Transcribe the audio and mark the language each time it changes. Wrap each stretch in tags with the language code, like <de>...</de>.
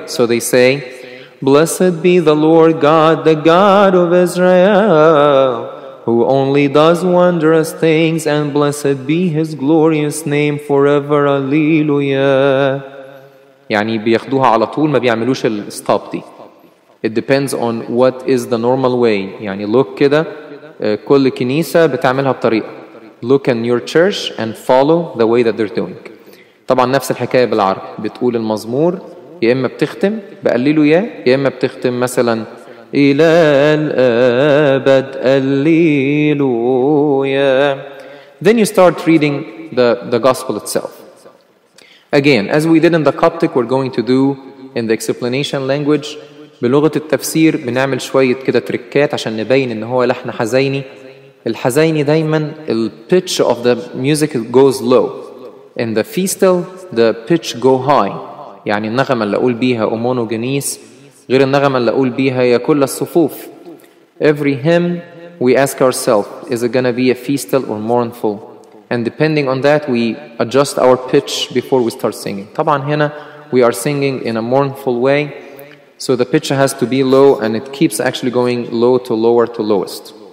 <en>So they say, blessed be the Lord God, the God of Israel, who only does wondrous things, and blessed be his glorious name forever.</en> <ar>Alleluia. يعني بياخدوها على طول, ما بيعملوش الستوب دي.</ar> <en>It depends on what is the normal way.</en> <ar>يعني</ar> <en>look</en> <ar>كده, كل كنيسة بتعملها بطريقة.</ar> <en>Look in your church and follow the way that they're doing.</en> <ar>طبعا نفس الحكاية بالعرب. بتقول المزمور, يا إما بتختم بقللوا يا, يا إما بتختم مثلا إلى الأبد قللوا يا.</ar> <en>Then you start reading the gospel itself. Again, as we did in the Coptic, we're going to do in the explanation language.</en> <ar>بلغة التفسير بنعمل شوية كده تركات عشان نبين إن هو لحن حزيني. الحزيني دايما ال</ar> <en>pitch of the music goes low. In the feastal, the pitch go high.</en> <ar>يعني النغمة اللي أقول بيها أمونو جنيس غير النغمة اللي أقول بيها يا كل الصفوف.</ar> <en>Every hymn, we ask ourselves, is it gonna be a feastal or mournful? And depending on that, we adjust our pitch before we start singing.</en> <ar>طبعا هنا</ar> <en>we are singing in a mournful way. So the pitch has to be low, and it keeps actually going low to lower to lowest.</en>